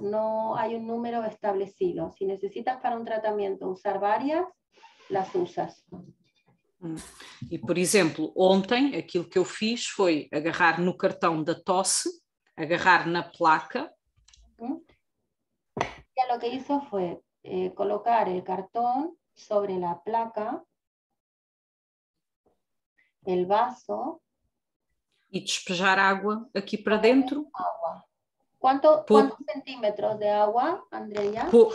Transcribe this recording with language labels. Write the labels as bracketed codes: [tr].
[pt] Não há um número estabelecido. Se necessitas para um tratamento usar várias, [es] las usas. [pt] E, por exemplo, ontem aquilo que eu fiz foi agarrar no cartão da tosse, agarrar na placa. [es] Lo que hizo fue colocar el cartón sobre la placa, el vaso. [pt] E despejar água aqui para dentro. [es] Agua. ¿Cuántos centímetros de agua, Andrea?